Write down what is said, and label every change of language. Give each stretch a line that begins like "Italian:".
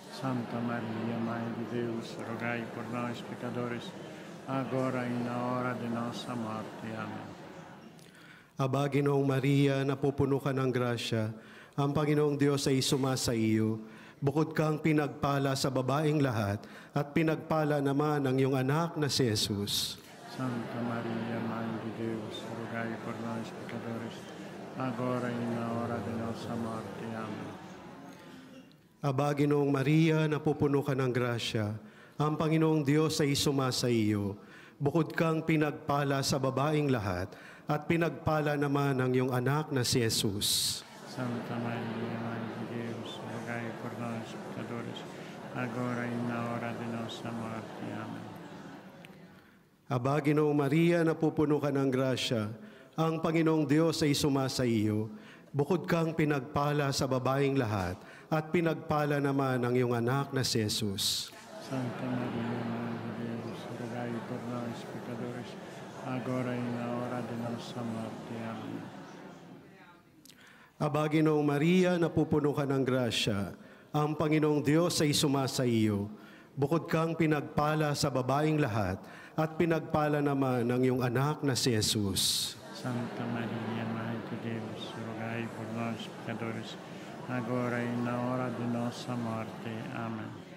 Portuguese: Santa Maria, Mãe de Deus, rogai por nós pecadores, agora e na hora de nossa morte. Amen.
Filipino: Aba, Ginoong Maria, napupuno ka ng grasya, ang Panginoong Diyos ay suma sa iyo. Bukod kang pinagpala sa babaeng lahat at pinagpala naman ang iyong anak na si Jesus.
Portuguese: Santa Maria, Mãe de Deus, rogai por nós pecadores, agora e na hora de nossa morte. Amém.
Filipino: Aba, Ginoong Maria, napupuno ka ng grasya, ang Panginoong Diyos ay suma sa iyo. Bukod kang pinagpala sa babaeng lahat at pinagpala naman ang iyong anak na si Jesus.
Portuguese: Santa Maria, Mãe de Deus, rogai por nós pecadores, agora e na hora de nossa morte. Amém.
Filipino: Aba, Ginoong Maria, napupuno ka ng grasya, ang Panginoong Diyos ay suma sa iyo. Bukod kang pinagpala sa babaeng lahat at pinagpala naman ang iyong anak na si Jesus.
Portuguese: Santa Maria, Mãe de Deus, rogai por nós pecadores, agora e na hora de nossa morte. Amen.
Filipino: Aba, Ginoong Maria, napupuno ka ng grasya, ang Panginoong Diyos ay suma sa iyo. bukod kang pinagpala sa babaeng lahat, at pinagpala naman ang iyong anak na si Jesus.
Portuguese: Santa Maria, Mãe de Deus, rogai por nós, pecadores, agora e na hora de nossa morte. Amém.